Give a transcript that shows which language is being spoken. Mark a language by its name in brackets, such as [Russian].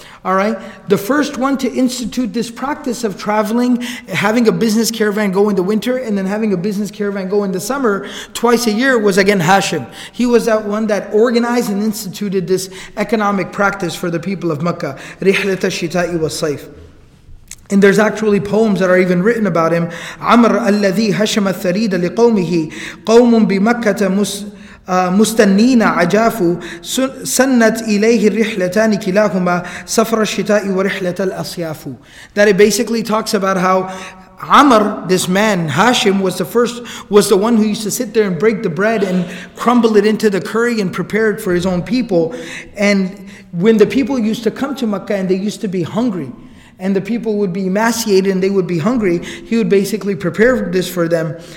[English] All right, the first one to institute this practice of traveling, having a business caravan go in the winter and then having a business caravan go in the summer twice a year was again Hashim. He was that one that organized and instituted this economic practice for the people of Mecca. [Arabic] رِحْلَةَ الشِّتَاءِ وَالصَّيْفِ. [English] And there's actually poems that are even written about him. [Arabic] عمر الذي هشم الثريد لقومه قوم بمكة مستنين عجاف سنت إليه الرحلتان كلاهما سفر الشتاء ورحلة الأصياف. [English] That it basically talks about how Amr, this man, Hashim, was the one who used to sit there and break the bread and crumble it into the curry and prepare it for his own people. And when the people used to come to Mecca and they used to be hungry, and the people would be emaciated and they would be hungry, he would basically prepare this for them.